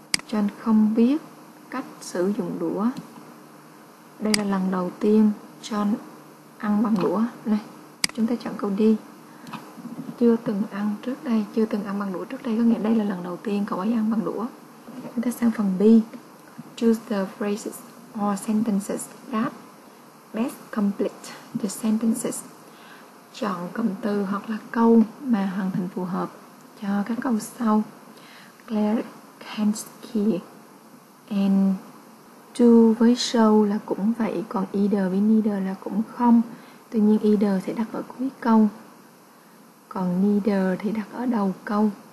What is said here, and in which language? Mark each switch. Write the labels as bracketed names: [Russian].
[Vietnamese] John không biết cách sử dụng đũa. Đây là lần đầu tiên John ăn bằng đũa. Này, chúng ta chọn câu D. Chưa từng ăn trước đây. Chưa từng ăn bằng đũa trước đây có nghĩa đây là lần đầu tiên cậu ấy ăn bằng đũa. Chúng ta sang phần B. [English] Choose the phrases or sentences that best complete the sentences. [Vietnamese] chọn cụm từ hoặc là câu mà hoàn thành phù hợp cho các câu sau. [English] Claire can ski and do [Vietnamese] với show là cũng vậy, còn either với neither là cũng không. Tuy nhiên either sẽ đặt ở cuối câu, còn neither thì đặt ở đầu câu.